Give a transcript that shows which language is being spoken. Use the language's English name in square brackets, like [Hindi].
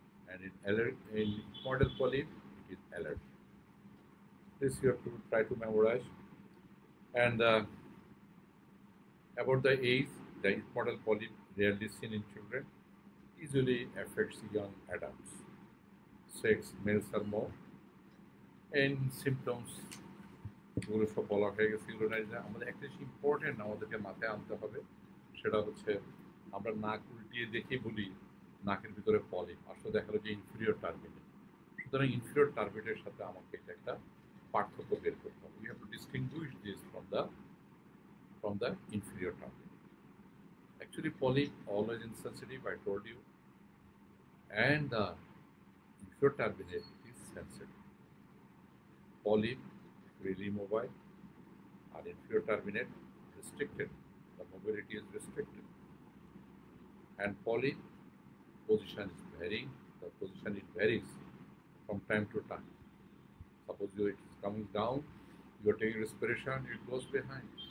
[English] And in ethmoidal polyp, it is allergy. This you have to try to memorize. And about the age, the ethmoidal polyp rarely seen in children, usually affects young adults. Sex, males are more. And symptoms, [Bangla] গুলো বলা হয়ে গেছে ইউরোনাইজার আমাদের একটা জিনিস important আমাদেরকে মাথায় আনতে হবে, সেটা হচ্ছে আমরা নাক উল্টিয়ে দেখি বলি নাকের ভিতরে পলিপ, আসলে দেখা যাচ্ছে ইনফিরিয়র টার্বিনেট। সুতরাং ইনফিরিয়র টার্বিনেটের সাথে আমাকে এটা একটা পার্থক্য বের করতে হবে। [English] You have to distinguish this from the inferior turbinate. Actually polyp always insensitive, I told you, and the inferior turbinate is sensitive. Polyp really mobile, and inferior turbinate restricted, the mobility is restricted. And polyp position is varying, the position it varies from time to time. Suppose you it is coming down, you are taking respiration, it goes behind.